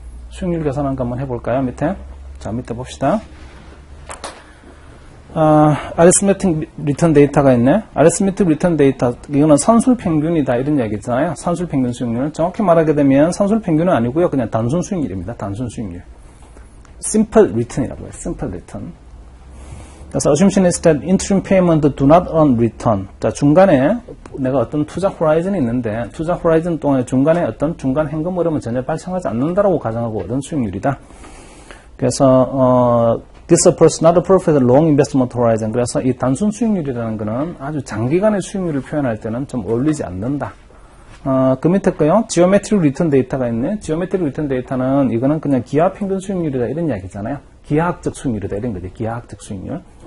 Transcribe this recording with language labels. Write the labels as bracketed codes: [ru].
[ko] 수익률 계산한 거 한번 해볼까요? 밑에. 자, 밑에 봅시다. 아리스메틱 리턴 데이터가 있네. 아리스메틱 리턴 데이터, 이거는 산술 평균이다. 이런 이야기 있잖아요. 산술 평균 수익률. 정확히 말하게 되면 산술 평균은 아니고요. 그냥 단순 수익률입니다. 단순 수익률. 심플 리턴이라고 해요. 심플 리턴. 그래서 [en] assumption is that interim payment do not earn return. [ko] 자, 중간에 내가 어떤 투자 호라이즌이 있는데, 투자 호라이즌 동안에 중간에 어떤 중간 현금 흐름은 전혀 발생하지 않는다라고 가정하고 얻은 수익률이다. 그래서, [en] This approach is not a perfect long investment horizon. [ko] 그래서 이 단순 수익률이라는 것은 아주 장기간의 수익률을 표현할 때는 좀 어울리지 않는다. 그 밑에 거요. Geometric return 데이터가 있네. Geometric return 데이터는 이거는 그냥 기하 평균 수익률이다. 이런 이야기잖아요. 기하학적 수익률이다. 이런 거죠. 기하학적 수익률.